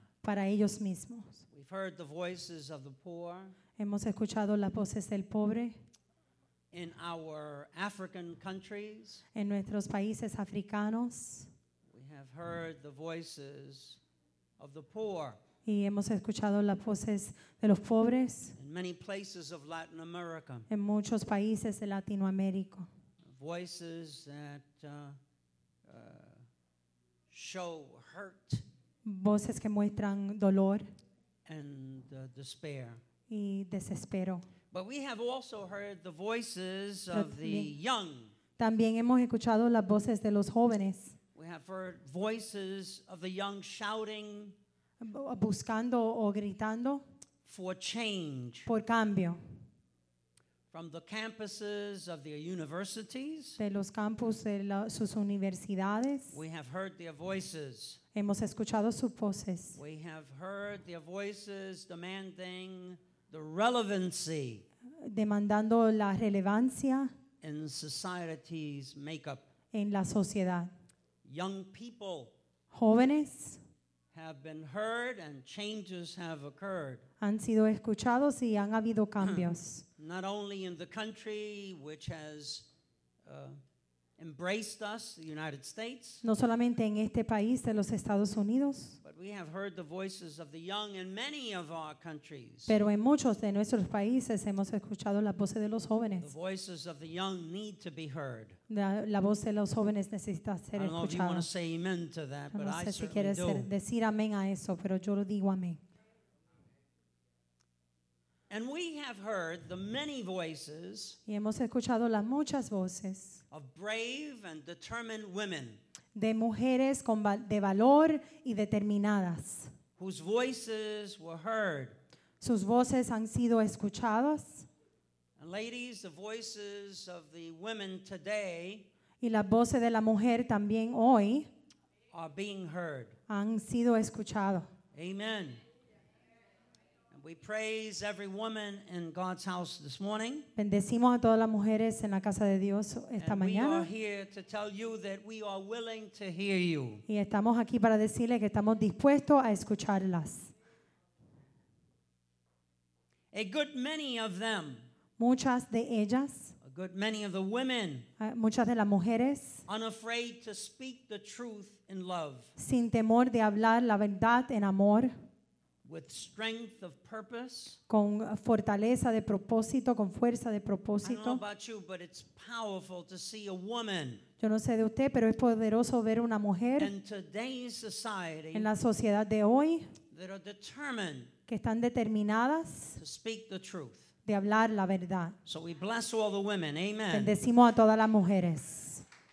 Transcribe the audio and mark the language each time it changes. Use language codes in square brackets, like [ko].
[es] Para ellos mismos. [en] We've heard the voices of the poor. [es] Hemos escuchado las voces del pobre. [en] In our African countries. [es] En nuestros países africanos. [en] We have heard the voices of the poor. [es] Y hemos escuchado las voces de los pobres. [en] In many places of Latin America. [es] En muchos países de Latinoamérica. [en] Voices that show hurt. [es] Voces que muestran dolor. [en] And despair. [es] Y desespero. [en] But we have also heard the voices of the young. [es] También hemos escuchado las voces de los jóvenes. [en] We have heard voices of the young shouting. [es] Buscando o gritando. [en] For change. [es] Por cambio. [en] From the campuses of their universities. [es] De los campus de la, sus universidades. [en] We have heard their voices. [es] Hemos escuchado sus voces. [en] We have heard their voices demanding the relevancy. [es] Demandando la relevancia. [en] In society's makeup. [es] En la sociedad. [en] Young people. [es] Jóvenes. [en] Have been heard and changes have occurred. [es] Han sido escuchados y han habido cambios. [en] Not only in the country which has embraced us, the United States. [es] No solamente en este país de los Estados Unidos. [en] But we have heard the voices of the young in many of our countries. [es] Pero en muchos de nuestros países hemos escuchado las voces de los jóvenes. [en] The voices of the young need to be heard. [es] La voz de los jóvenes necesita ser escuchada. [en] I don't know if you want to say amen to that, but [es] no sé si quieres decir amén a eso, pero yo lo digo amén. [en] And we have heard the many voices. [es] Y hemos escuchado las muchas voces. [en] Of brave and determined women. [es] De mujeres con de valor y determinadas. [en] Whose voices were heard. [es] Sus voces han sido escuchadas. [en] And ladies, the voices of the women today. [es] Y las voces de la mujer también hoy. [en] Are being heard. [es] Han sido escuchado. [en] Amen. We praise every woman in God's house this morning. [es] Bendecimos a todas las mujeres en la casa de Dios esta mañana. [en] And we are here to tell you that we are willing to hear you. [es] Y estamos aquí para decirles que estamos dispuestos a escucharlas. [en] A good many of them. [es] Muchas de ellas. [en] A good many of the women. [es] Muchas de las mujeres. [en] Unafraid to speak the truth in love. [es] Sin temor de hablar la verdad en amor. [en] With strength of purpose. [es] Con fortaleza de propósito, con fuerza de propósito. [en] I don't know about you, but it's powerful to see a woman. [es] Yo no sé de usted, pero es poderoso ver una mujer. [en] In today's society. [es] En la sociedad de hoy. [en] That are determined. [es] Que están determinadas. [en] To speak the truth. [es] De hablar la verdad. [en] So we bless all the women. Amen. [es] Bendecimos a todas las mujeres.